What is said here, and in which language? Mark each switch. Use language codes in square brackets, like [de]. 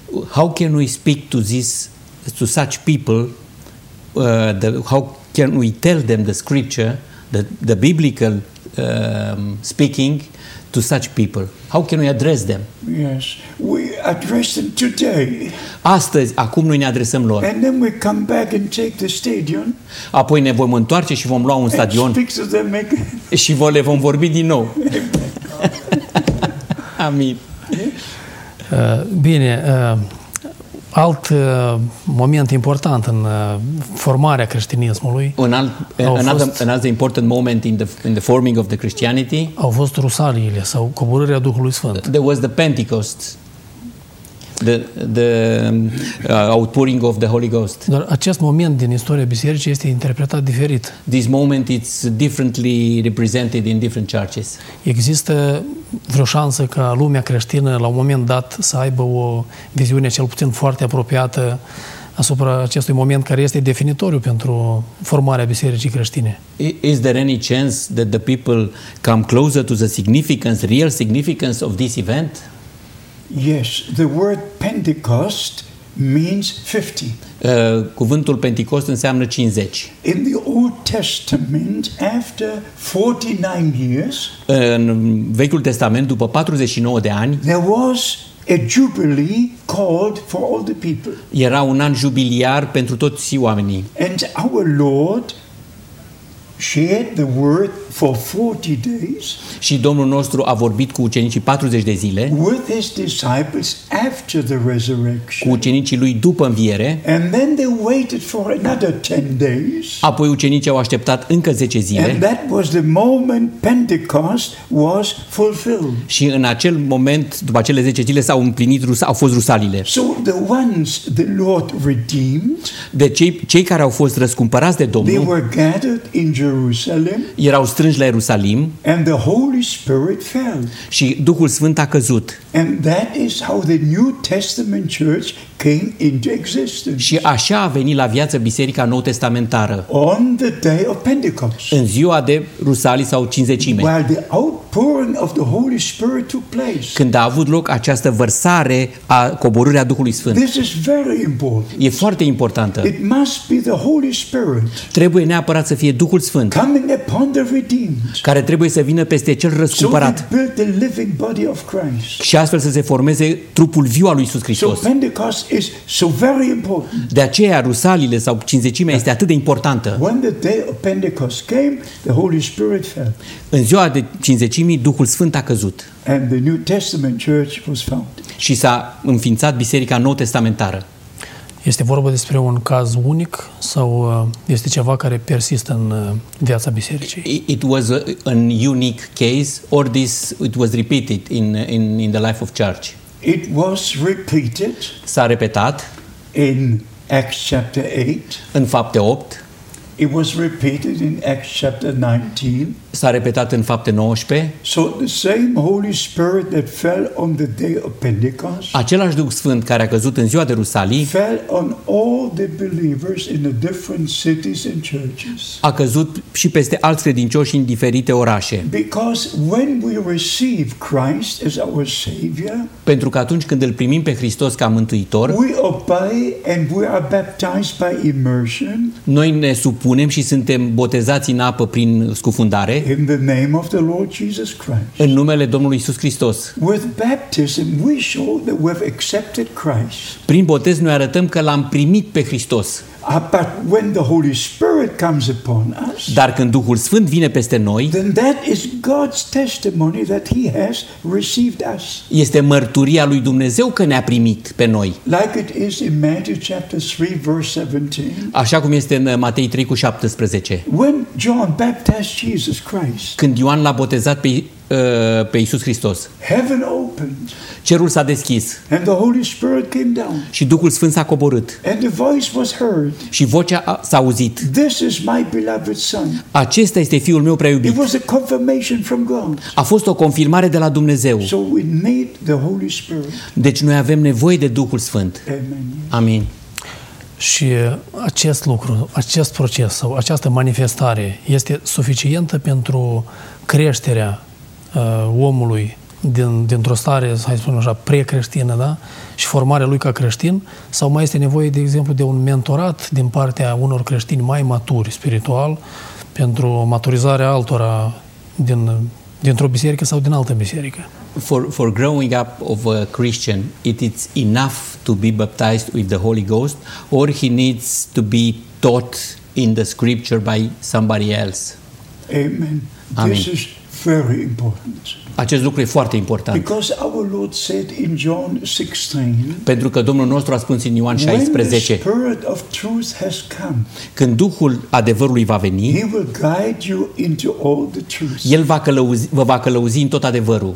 [en] How can we speak to this, to such people? How can we tell them the scripture, the biblical speaking to such people? How can we address them? Yes, we address them today. [ro] Astăzi, acum noi ne adresăm lor. [en] And then we come back and take the stadium. [ro] Apoi ne vom întoarce și vom lua un stadion. Și le vom vorbi din nou. Amin. Bine, alt moment important în formarea creștinismului. [en] Another important moment in the forming of the Christianity. [ro] Au fost rusaliile sau coborârea Duhului Sfânt. [en] There was the Pentecost. The outpouring of the Holy Ghost. [ro] Dar acest moment din istoria bisericii este interpretat diferit. [en] This moment it's differently represented in different churches. [ro] Există vreo șansă ca lumea creștină la un moment dat să aibă o viziune cel puțin foarte apropiată asupra acestui moment care este definitoriu pentru formarea bisericii creștine? [en] Is there any chance that the people come closer to the significance, real significance of this event? Yes, the word Pentecost means 50. [ro] Cuvântul Pentecost înseamnă 50. [en] In the Old Testament, after 49 years, [ro] în Vechiul Testament, după 49 de ani, [en] there was a jubilee called for all the people. [ro] Era un an jubiliar pentru toți oamenii. [en] And our Lord shared the word for 40 days. [ro] Și Domnul nostru a vorbit cu ucenicii 40 de zile. [en] With his disciples after the resurrection. [ro] Cu ucenicii lui după înviere. [en] And then they waited for another 10 days. [ro] Apoi ucenicii au așteptat încă 10 zile. [en] And that was the moment Pentecost was fulfilled. [ro] Și în acel moment, după cele 10 zile, au fost rusalile. [en] So the ones the Lord redeemed. [ro] Cei care au fost răscumpărați de Domnul. [en] They were gathered in Jerusalem. [ro] Erau strânși la Ierusalim. [en] And the Holy Spirit fell. [ro] Și Duhul Sfânt a căzut. [en] And that is how the New Testament church came into existence. [ro] Și așa a venit la viață Biserica Nou Testamentară. [en] On the day of Pentecost. [ro] În ziua de Rusalii sau Cincizecime. [en] While the outpouring of the Holy Spirit took place. [ro] Când a avut loc această vărsare a coborârea Duhului Sfânt. [en] This is very important. [ro] E foarte importantă. [en] It must be the Holy Spirit. [ro] Trebuie neapărat să fie Duhul Sfânt. [en] Coming upon the redeemed. [ro] Care trebuie să vină peste cel răscumpărat. [en] So build the living body of Christ. [ro] Și astfel să se formeze trupul viu al lui Iisus Hristos. [en] So Pentecost is so very important. [ro] De aceea rusalile sau cincizecimea este atât de importantă. [en] When the day of Pentecost came, the Holy Spirit fell. [ro] În ziua de cincizecimii Duhul Sfânt a căzut. [en] And the New Testament church was founded. [ro] Și s-a înființat Biserica Nou Testamentară. Este vorba despre un caz unic sau este ceva care persistă în viața bisericii? [en] It was a unique case or this it was repeated in the life of church. It was repeated. [ro] S-a repetat. [en] In Acts chapter 8. [ro] În Fapte 8. [en] It was repeated in Acts chapter 19. [ro] S-a repetat în Fapte 19. [en] So the same Holy Spirit that fell on the day of Pentecost. [ro] Același Duh Sfânt care a căzut în ziua de Rusalii. [en] Fell on all the believers in the different cities and churches. [ro] A căzut și peste alți credincioși în diferite orașe. [en] Because when we receive Christ as our Savior. [ro] Pentru că atunci când îl primim pe Hristos ca Mântuitor. [en] We obey and we are baptized by immersion. [ro] Noi ne supunem și suntem botezați în apă prin scufundare. [en] In the name of the Lord Jesus Christ. [ro] În numele Domnului Iisus Hristos. [en] With baptism we show that we have accepted Christ. [ro] Prin botez noi arătăm că l-am primit pe Hristos. [en] But when the Holy Spirit comes upon us. [ro] Dar când Duhul Sfânt vine peste noi. [en] Then that is God's testimony that he has received us. [ro] Este mărturia lui Dumnezeu că ne-a primit pe noi. [en] Like it is in Matthew chapter 3 verse 17. [ro] Așa cum este în Matei 3 cu 17. [en] When John baptized Jesus Christ. [ro] Când Ioan l-a botezat pe pe Iisus Hristos. [en] Heaven opened. [ro] Cerul s-a deschis. [en] And the Holy Spirit came down. [ro] Și Duhul Sfânt s-a coborât. [en] And the voice was heard. [ro] Și vocea s-a auzit. [en] This is my beloved son. [ro] Acesta este fiul meu preiubit. [en] It was a confirmation from God. [ro] A fost o confirmare de la Dumnezeu. [en] So we need the Holy Spirit. [ro] Deci noi avem nevoie de Duhul Sfânt. Amin. Și acest lucru, acest proces sau această manifestare este suficientă pentru creșterea omului dintr-o stare, hai să spunem așa, pre-creștină, da? Și formarea lui ca creștin, sau mai este nevoie, de exemplu, de un mentorat din partea unor creștini mai maturi spiritual pentru maturizarea altora dintr-o biserică sau din altă biserică? [en] For growing up of a Christian, it is enough to be baptized with the Holy Ghost, or he needs to be taught in the Scripture by somebody else. Amen. Amen. This is very important. [ro] Acest lucru e foarte important. [en] Because our Lord said in John 16. [ro] Pentru că Domnul nostru a spus în Ioan 16. [en] When the Spirit of truth has come. [ro] Când Duhul adevărului va veni. [en] He will guide you into all the truth. [ro] El vă va călăuzi în tot adevărul.